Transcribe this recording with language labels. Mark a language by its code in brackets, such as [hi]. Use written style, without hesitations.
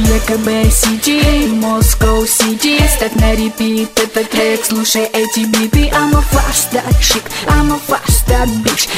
[ru] КБ, CGA, Moscow, CG. Ставь на репит этот трек, слушай эти биты. [en] I'm a flash that shit, I'm a flash that bitch.